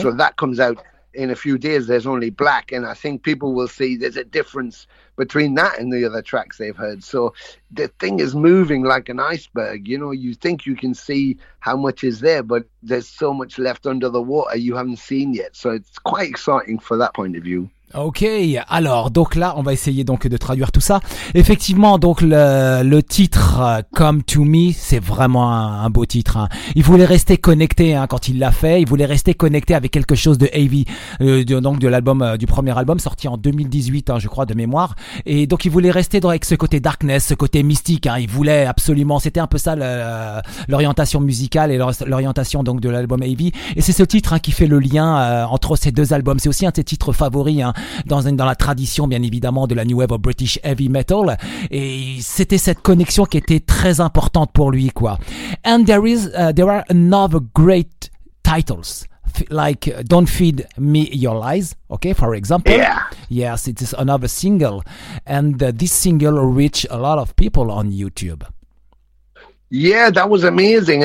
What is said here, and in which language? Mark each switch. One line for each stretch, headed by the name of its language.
English: So that comes out in a few days. There's only Black. And I think people will see there's a difference between that and the other tracks they've heard. So the thing is moving like an iceberg. You know, you think you can see how much is there, but there's so much left under the water you haven't seen yet. So it's quite exciting for that point of view.
French: Ok, alors, donc là, on va essayer donc de traduire tout ça. Effectivement, donc le titre Come To Me, c'est vraiment un beau titre, hein. Il voulait rester connecté, hein, quand il l'a fait. Il voulait rester connecté avec quelque chose de heavy, donc de l'album, du premier album sorti en 2018, hein, je crois, de mémoire. Et donc il voulait rester avec ce côté darkness, ce côté mystique, hein. Il voulait absolument, c'était un peu ça l'orientation musicale et l'orientation donc de l'album heavy. Et c'est ce titre, hein, qui fait le lien entre ces deux albums. C'est aussi un de ses titres favoris, hein. Dans la tradition, bien évidemment, de la New Wave of British Heavy Metal. Et c'était cette connexion qui était très importante pour lui, quoi.
English: And there are another great titles, like Don't Feed Me Your Lies, okay, for example. Yeah. Yes, it is another single. And this single reached a lot of people on YouTube. Yeah, that was amazing.